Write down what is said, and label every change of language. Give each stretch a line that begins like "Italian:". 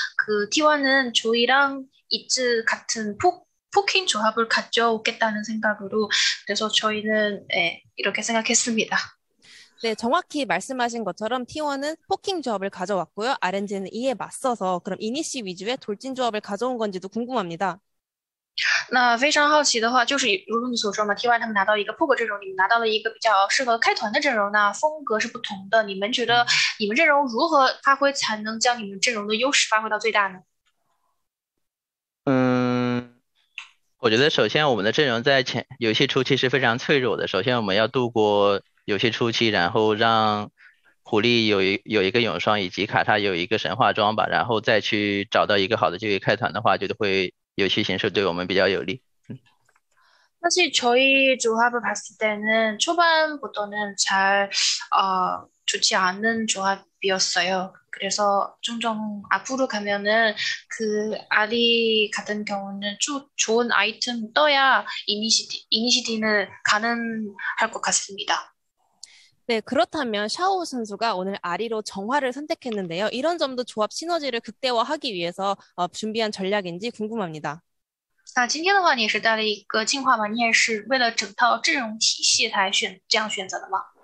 Korean: 그 T1은 조이랑 이츠 같은 포킹 조합을 가져오겠다는 생각으로 그래서 저희는 이렇게 생각했습니다. 네, 정확히 말씀하신 것처럼 T1은 포킹 조합을 가져왔고요. RNG는 이에 맞서서 그럼 이니시 위주의 돌진 조합을 가져온 건지도 궁금합니다.
Chinese: 那非常好奇的话，就是如你所说嘛 T1他们拿到一个破格阵容，你们拿到了一个比较适合开团的阵容，那风格是不同的。你们觉得你们阵容如何发挥才能将你们阵容的优势发挥到最大呢？我觉得首先我们的阵容在游戏初期是非常脆弱的。首先我们要度过 游戏初期，然后让狐狸有一个永双以及卡莎有一个神话装吧，然后再去找到一个好的机会开团的话，就会游戏形式对我们比较有利。
Korean: 사실 저희 조합을 봤을 때는 초반부터는 잘 좋지 않은 조합이었어요. 그래서 종종 앞으로 가면은 그 아리 같은 경우는 좋은 아이템 떠야 이니시디는 가능할 것 같습니다. 네, 그렇다면 샤오 선수가 오늘 아리로 정화를 선택했는데요. 이런 점도 조합 시너지를 극대화하기 위해서 준비한 전략인지 궁금합니다.
Chinese: 那今天的话你也是带了一个进化吗？你也是为了整套阵容体系才选这样选择的吗？